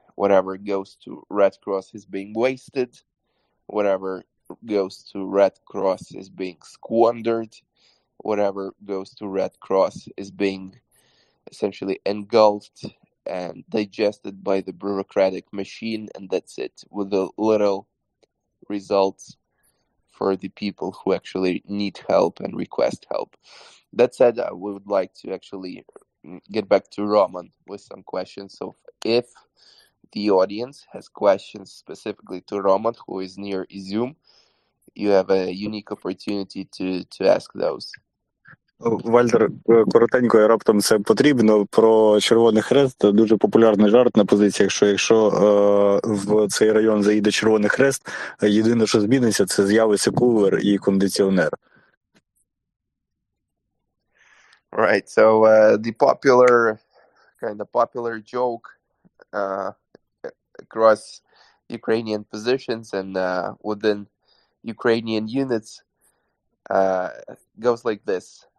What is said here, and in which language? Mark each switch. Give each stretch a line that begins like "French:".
English: Whatever goes to Red Cross is being wasted, whatever goes to Red Cross is being squandered, whatever goes to Red Cross is being essentially engulfed and digested by the bureaucratic machine, and that's it, with the little results for the people who actually need help and request help. That said, I would like to actually get back to Roman with some questions. So if the audience has questions specifically to Roman, who is near Izum, you have a unique opportunity to ask those.
Ukrainian: Вальтер, коротенько, я раптом це потрібно, про Червоний Хрест. Дуже популярний жарт на позиціях, що якщо в цей район заїде Червоний Хрест, єдине, що зміниться, це з'явиться кулер і кондиціонер.
English: Right, so the popular, kind of popular joke across Ukrainian positions and within Ukrainian units goes like this.